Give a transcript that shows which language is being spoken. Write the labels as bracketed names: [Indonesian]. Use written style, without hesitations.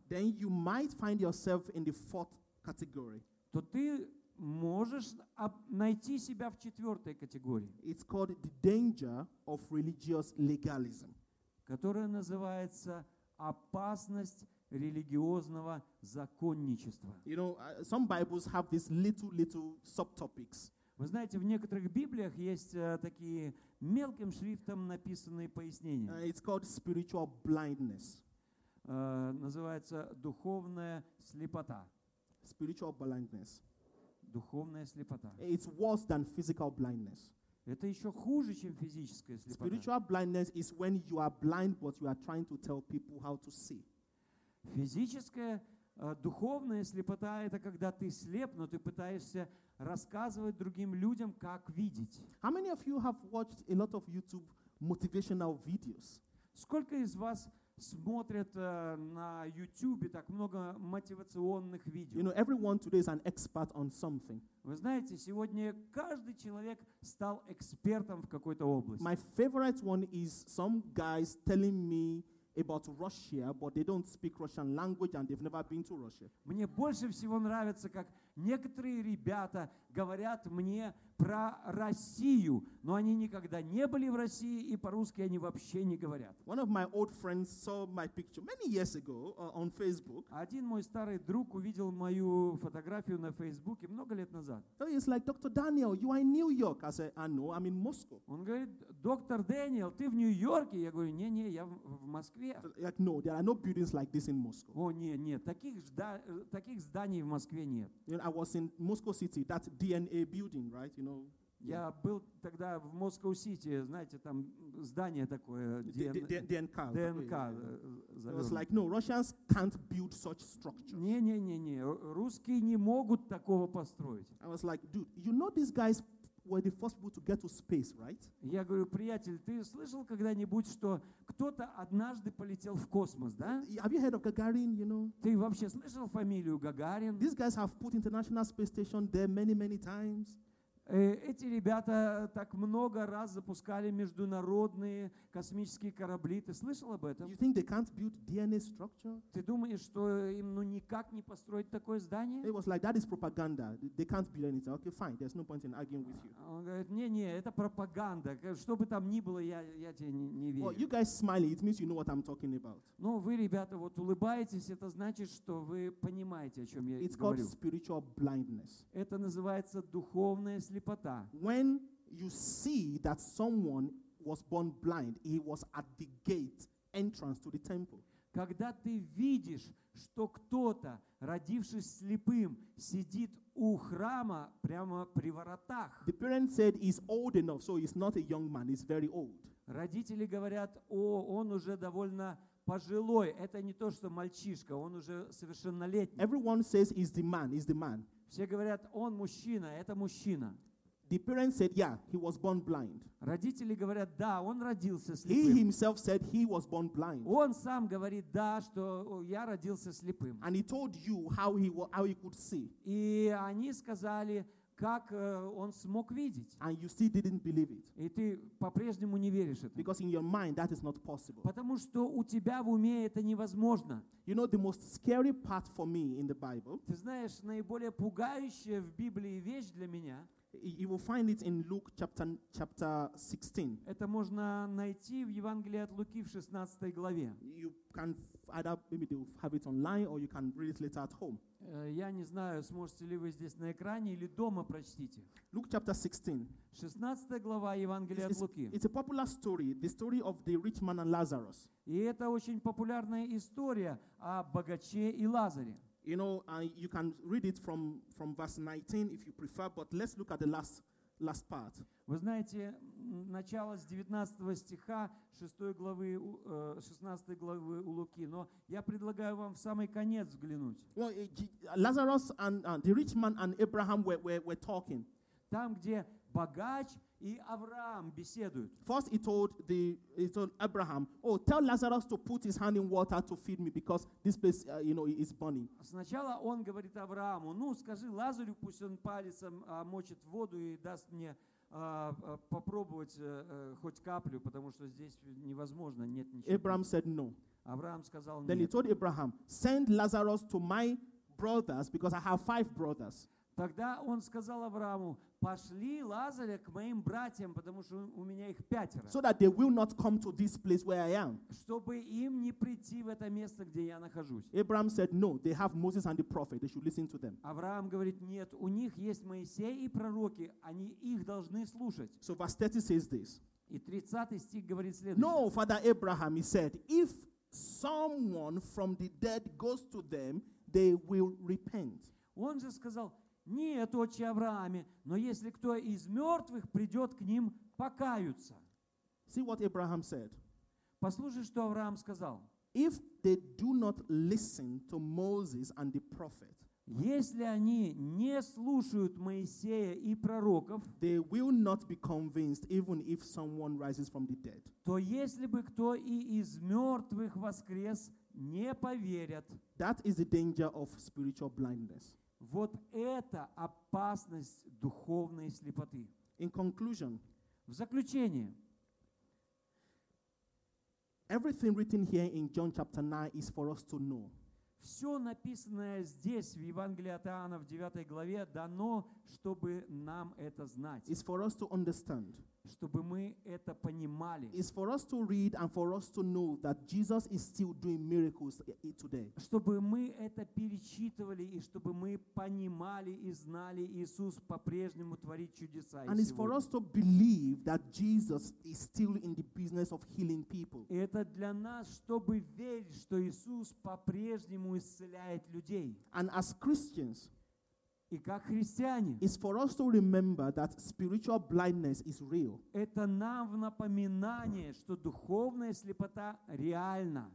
[English] then you might find yourself in the fourth category. [Russian] То ты можешь найти себя в четвертой категории. [English] It's called the danger of religious legalism, [Russian] которая называется опасность религиозного законничества. [English] You know, some Bibles have these little subtopics. [Russian] Вы знаете, в некоторых Библиях есть такие мелким шрифтом написанные пояснения. [English] It's called spiritual blindness. [Russian] Называется духовная слепота. [English] Spiritual blindness. [Russian] Духовная слепота. [English] It's worse than physical blindness. [Russian] Это еще хуже, чем физическая слепота. [English] Spiritual blindness is when you are blind, but you are trying to tell people how to see. [Russian] Физическая, духовная слепота – это когда ты слеп, но ты пытаешься рассказывать другим людям, как видеть. [English] How many of you have watched a lot of YouTube motivational videos? [Russian] Сколько из вас смотрят на YouTube так много мотивационных видео? [English] You know, everyone today is an expert on something. [Russian] Вы знаете, сегодня каждый человек стал экспертом в какой-то области. [English] My favorite one is some guys telling me about Russia, but they don't speak Russian language and they've never been to Russia. [Russian] Мне больше всего нравится, как некоторые ребята говорят мне про Россию, но они никогда не были в России и по-русски они вообще не говорят. [English] One of my old friends saw my picture many years ago on Facebook. [Russian] Один мой старый друг увидел мою фотографию на Фейсбуке много лет назад. [English] So he's like, Dr. Daniel, you are in New York. I said, I know, I'm in Moscow. [Russian] Он говорит, доктор Дэниел, ты в Нью-Йорке? Я говорю, не, я в Москве. [English] Like, no, there are no buildings like this in Moscow. [Russian] О, нет, таких зданий в Москве нет. [English] You know, I was in Moscow City, that DNA building, right? You know, yeah. [Russian] Я был тогда в Moscow City, знаете, там здание такое, ДНК. ДНК. [English] It was like, no, Russians can't build such structures. [Russian] Не, русские не могут такого построить. [English] I was like, dude, you know these guys were the first people to get to space, right? [Russian] Я говорю, приятель, ты слышал когда-нибудь, что кто-то однажды полетел в космос, да? [English] Have you heard of Gagarin, you know? [Russian] Ты вообще слышал фамилию Гагарин? [English] These guys have put International Space Station there many times. [Russian] Эти ребята так много раз запускали международные космические корабли. Ты слышал об этом? [English] You think they can't build DNA structure? [Russian] Ты думаешь, что им ну никак не построить такое здание? [English] It was like that is propaganda. They can't build anything. Okay, fine. There's no point in arguing with you. [Russian] Он говорит, не, это пропаганда. Что бы там ни было, я тебе не верю. [English] Well, you guys smiling. It means you know what I'm talking about. [Russian] Ну, вы, ребята, вот улыбаетесь. Это значит, что вы понимаете, о чем я [English] It's [Russian] говорю. [English] It's called spiritual blindness. [Russian] Это называется духовная слепота. [English] When you see that someone was born blind, he was at the gate entrance to the temple. [Russian] Когда ты видишь, что кто-то, родившись слепым, сидит у храма прямо при воротах. [English] The parents said he's old enough, so he's not a young man, he's very old. [Russian] Родители говорят: "О, он уже довольно пожилой, это не то, что мальчишка, он уже совершеннолетний". [English] Everyone says he's the man. [Russian] Все говорят, он мужчина, это мужчина. [English] The parents said, yeah, he was born blind. [Russian] Родители говорят, да, он родился слепым. [English] He himself said he was born blind. [Russian] Он сам говорит, да, что я родился слепым. [English] And he told you how he could see. [Russian] И они сказали, как он смог видеть. [English] And you still didn't believe it. [Russian] И ты по-прежнему не веришь этому. [English] Because in your mind that is not possible. [Russian] Потому что у тебя в уме это невозможно. [English] You know the most scary part for me in the Bible? [Russian] Ты знаешь, наиболее пугающая в Библии вещь для меня? [English] You will find it in Luke chapter 16. [Russian] Это можно найти в Евангелии от Луки в 16 главе. [English] You can either maybe they will have it online or you can read it later at home. [Russian] Я не знаю, сможете ли вы здесь на экране или дома прочтите. [English] Luke chapter 16. [Russian] 16 глава Евангелия от Луки. [English] It's a popular story, the story of the rich man and Lazarus. [Russian] И это очень популярная история о богаче и Лазаре. [English] You know, you can read it from verse 19 if you prefer, but let's look at the last part. [Russian] Вы знаете, начало с 19 стиха 6 главы, 16 главы у Луки, но я предлагаю вам в самый конец взглянуть. [English] Well, Lazarus and the rich man and Abraham were talking. [Russian] Там, где богач и Авраам беседуют. [English] First he told Abraham, "Oh, tell Lazarus to put his hand in water to feed me because this place, you know, is burning." [Russian] Сначала он говорит Аврааму: "Ну, скажи Лазарю, пусть он пальцем мочит воду и даст мне попробовать хоть каплю, потому что здесь невозможно, нет ничего". [English] Abraham said no. [Russian] Авраам сказал нет. [English] Then he told Abraham, "Send Lazarus to my brothers because I have 5 brothers." [Russian] Тогда он сказал Аврааму: "Пошли Лазаря к моим братьям, потому что у меня их 5". [English] So that they will not come to this place where I am. [Russian] Чтобы им не прийти в это место, где я нахожусь. [English] Abraham said no. They have Moses and the prophet. They should listen to them. [Russian] Авраам говорит: "Нет, у них есть Моисей и пророки, они их должны слушать". [English] So verse 30 says this. [Russian] И 30 стих говорит следующее. [English] No, Father Abraham, he said, if someone from the dead goes to them, they will repent. [Russian] Он же сказал: "Нет, отче Аврааме, но если кто из мертвых придет к ним, покаются". [English] See what Abraham said. [Russian] Послушай, что Авраам сказал. [English] If they do not listen to Moses and the prophet, [Russian] если они не слушают Моисея и пророков, [English] they will not be convinced even if someone rises from the dead. [Russian] То если бы кто и из мертвых воскрес, не поверят. [English] That is the danger of spiritual blindness. [Russian] Вот это опасность духовной слепоты. [English] In conclusion, [Russian] в заключение. [English] Everything written here in John chapter 9 is for us to know. [Russian] Все написанное здесь в Евангелии от Иоанна в 9 главе дано, чтобы нам это знать. [English] It's for us to understand. [Russian] Чтобы мы это понимали. [English] It's for us to read and for us to know that Jesus is still doing miracles today. [Russian] Чтобы мы это перечитывали и чтобы мы понимали и знали, Иисус по-прежнему творит чудеса. [English] And [Russian] сегодня. [English] It's for us to believe that Jesus is still in the business of healing people. [Russian] Это для нас, чтобы верить, что Иисус по-прежнему исцеляет людей. [English] And as Christians, [Russian] и как христиане, [English] it's for us to remember that spiritual blindness is real. [Russian] Это нам в напоминание, что духовная слепота реальна.